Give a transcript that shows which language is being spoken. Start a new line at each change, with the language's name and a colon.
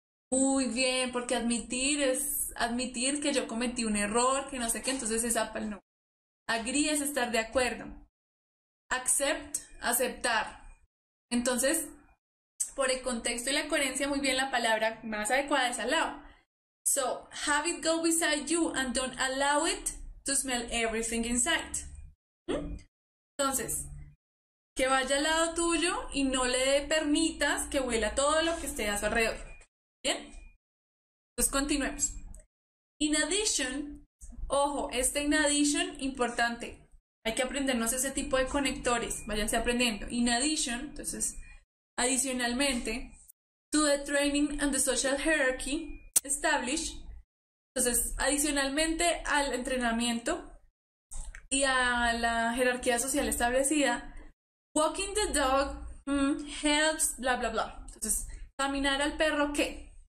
Spanish: Muy bien, porque admitir es admitir que yo cometí un error, que no sé qué, entonces esa pal no. Agree es estar de acuerdo. Accept, aceptar. Entonces, por el contexto y la coherencia, muy bien, la palabra más adecuada es allow.
English: So, have it go beside you and don't allow it to smell everything inside.
Spanish: Entonces, que vaya al lado tuyo y no le permitas que huela todo lo que esté a su alrededor. ¿Bien? Entonces continuemos. In addition, ojo, este in addition, importante. Hay que aprendernos ese tipo de conectores. Váyanse aprendiendo.
English: In addition,
Spanish: entonces, adicionalmente,
English: to the training and the social hierarchy established.
Spanish: Entonces, adicionalmente al entrenamiento y a la jerarquía social establecida.
English: Walking the dog, helps, bla, bla, bla.
Spanish: Entonces, caminar al perro, ¿qué?